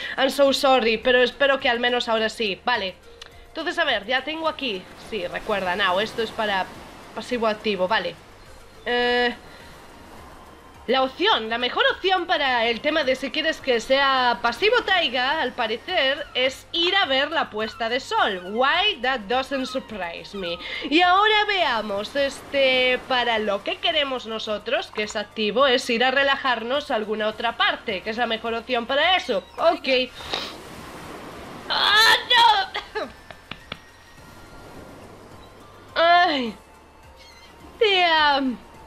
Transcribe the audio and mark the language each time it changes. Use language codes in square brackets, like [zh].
[en] I'm so sorry, [es] pero espero que al menos ahora sí. Vale, entonces a ver, ya tengo aquí. Sí, recuerda, [en] now, [es] esto es para pasivo-activo, vale. La opción, la mejor opción para el tema de si quieres que sea pasivo Taiga, al parecer, es ir a ver la puesta de sol. [en] Why that doesn't surprise me. [es] Y ahora veamos, para lo que queremos nosotros, que es activo, es ir a relajarnos a alguna otra parte, que es la mejor opción para eso. Ok. ¡Ah, no! [en] Ay. Damn.